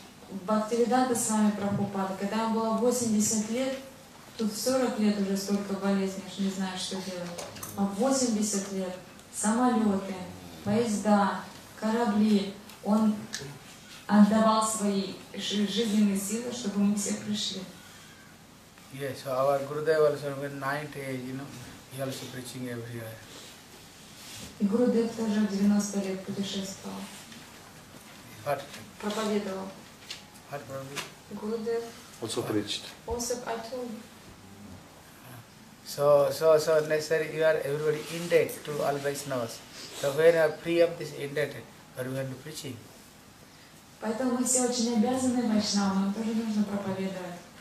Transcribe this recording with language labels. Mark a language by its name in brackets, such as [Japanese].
[Russian] Бхактивиданта с вами Прабхупада, когда ему было 80 лет, тут 40 лет уже столько болезней, что не знаю, что делать. А 80 лет, самолеты, поезда, корабли, он отдавал свои жизненные силы, чтобы мы все пришли. [English] Yes, so our Gurudev also when 90 age, you know, he also preaching everywhere. [Russian] Gurudev тоже в 90 лет путешествовал. [English] What? [Russian] Проповедовал. [English] What probably? Gurudev. Also preached. Also at home. So necessary you are everybody indebted to all Vaishnavas. So we are free of this indebted, but we are to preaching. [Russian] Поэтому мы все очень обязаны Вайшнавам, нам тоже нужно проповедовать.